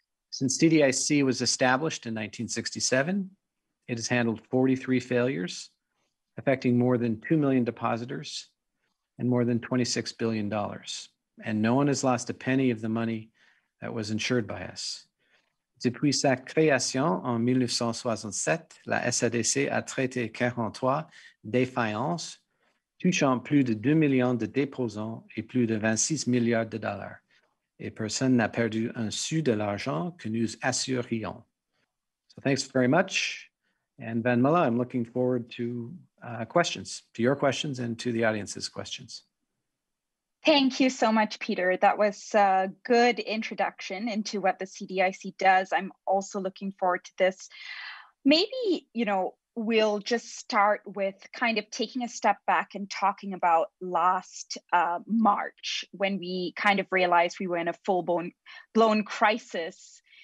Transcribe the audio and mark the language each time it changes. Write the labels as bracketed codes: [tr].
[en] Since CDIC was established in 1967, it has handled 43 failures, affecting more than 2 million depositors and more than $26 billion. And no one has lost a penny of the money that was insured by us. [fr] Depuis sa création en 1967, la SADC a traité 43 défaillances, touchant plus de 2 millions de déposants et plus de 26 milliards de dollars. Et personne n'a perdu un sou de l'argent que nous assurions. [en] So thanks very much. And Vanmala, I'm looking forward to questions, to your questions and to the audience's questions. Thank you so much, Peter. That was a good introduction into what the CDIC does. I'm also looking forward to this. Maybe, you know, we'll just start with kind of taking a step back and talking about last March when we kind of realized we were in a full-blown crisis.